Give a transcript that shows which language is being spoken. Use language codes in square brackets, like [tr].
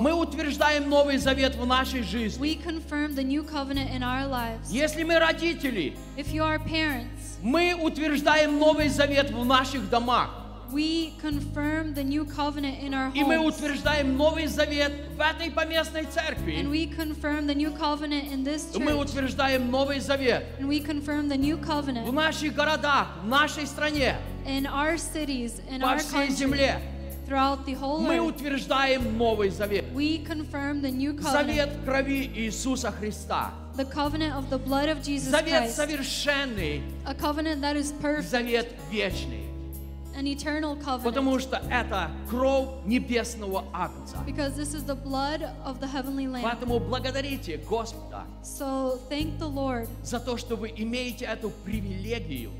[ru] мы утверждаем Новый Завет в нашей жизни. [en] We confirm the new covenant in our lives. [ru] Если мы родители, [en] if you are parents, [ru] мы утверждаем Новый Завет в наших домах. [en] We confirm the new covenant in our homes. [ru] И мы утверждаем Новый Завет в этой поместной церкви. [en] And we confirm the new covenant in this church. [ru] Мы утверждаем Новый Завет. [en] And we confirm the new covenant. [ru] В наших городах, в нашей стране. [en] In our cities, in [ru] по [en] our [ru] всей [en] country, [ru] земле. [en] Throughout the whole [ru] мы [en] earth. [ru] Утверждаем Новый Завет. [en] We confirm the new covenant. [ru] Завет в крови Иисуса Христа. [en] The covenant of the blood of Jesus [ru] Завет [en] Christ. [ru] Завет совершенный. [en] A covenant that is perfect. [ru] Завет вечный. [en] An eternal covenant. [ru] Потому что это кровь небесного Агнца. [en] Because this is the blood of the heavenly Lamb. [ru] Поэтому благодарите Господа. [en] So thank the Lord. [ru] За то, что вы имеете эту привилегию.